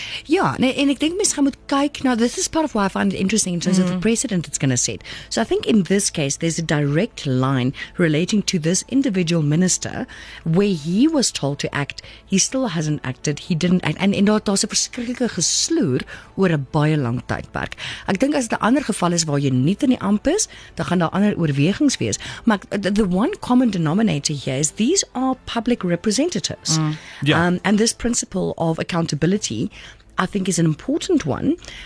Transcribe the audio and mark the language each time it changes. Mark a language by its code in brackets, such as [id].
[af] Ja, nee, en ek dink mens gaan moet kyk, [en] now this is part of why I find it interesting in terms of the precedent it's going to set. So I think in this case, there's a direct line relating to this individual minister where he was told to act. He still hasn't acted. He didn't act. [af] And daar's 'n verskriklike gesloer oor 'n baie lang tydperk. Ek dink as dit 'n ander geval is waar jy nie in die amp is, dan gaan daar ander oorwegings wees. [en] Maar the one common denominator here is these are public representatives. And this principle of accountability, I think, is an important one.